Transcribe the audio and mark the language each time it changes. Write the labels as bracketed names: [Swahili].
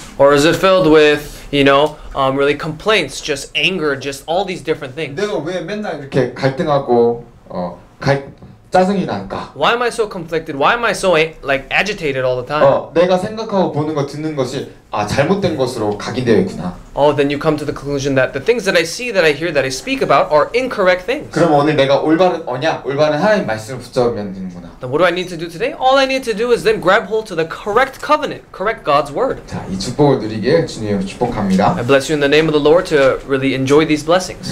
[English] Or is it filled with, you know, really complaints, just anger, just all these different things? [Korean] 내가 왜 맨날 이렇게 갈등하고 짜증이 날까? [English] Why am I so conflicted? Why am I so like agitated all the time? [Korean] 내가 생각하고 보는 거 듣는 것이 잘못된 것으로 각인되어 있구나. [English] Oh, then you come to the conclusion that the things that I see, that I hear, that I speak about are incorrect things. [Korean] 그럼 오늘 내가 올바른 언약, 올바른 하나님 말씀을 붙잡으면 되는구나. [English] Then what do I need to do today? All I need to do is then grab hold to the correct covenant, correct God's word. [Korean] 자, 이 축복을 누리게 주님 축복합니다. [English] I bless you in the name of the Lord to really enjoy these blessings.